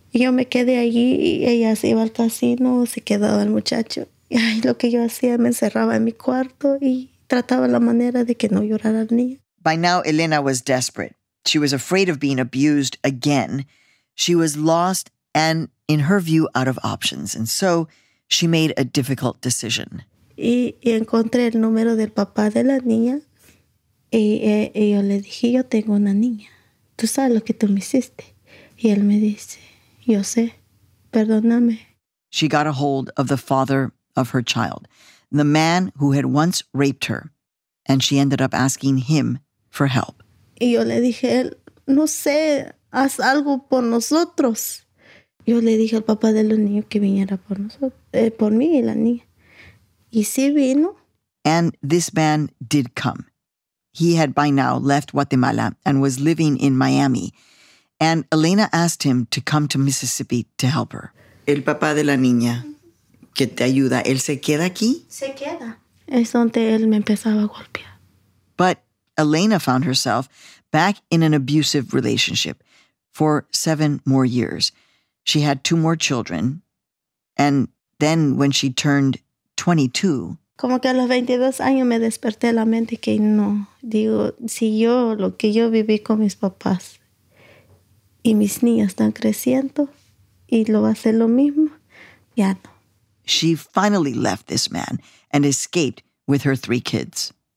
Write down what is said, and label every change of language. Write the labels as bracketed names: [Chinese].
[Spanish] Yo me quedé allí y ella se iba al casino, se quedaba el muchacho. Y lo que yo hacía, me encerraba en mi cuarto y trataba la manera de que no llorara el niño. [English] By now, Elena was desperate. She was afraid of being abused again. She was lost and, in her view, out of options. And so, she made a difficult decision. [Spanish] Y encontré el número del papá de la niña. Y yo le dije, yo tengo una niña. ¿Tú sabes lo que tú me hiciste? Y él me dice, yo sé. Perdóname. [English] She got a hold of the father of her child, the man who had once raped her, and she ended up asking him for help. [Spanish] Y yo le dije, no sé, haz algo por nosotros. Yo le dije al papá de los niños que viniera por nosotros, por mí y la niña. Y sí vino. [English] And this man did come. He had by now left Guatemala and was living in Miami. And Elena asked him to come to Mississippi to help her. [Spanish] El papá de la niña que te ayuda, ¿él se queda aquí? Se queda. Es donde él me empezaba a golpear. [English] But Elena found herself back in an abusive relationship for 7 more years. She had 2 more children. And then when she turned 22... [Spanish] Como que a los 22 años me desperté la mente que no. Digo, si yo, lo que yo viví con mis papás y mis niñas están creciendo y lo va a hacer lo mismo, ya no. [English] She finally left this man and escaped with her 3 kids.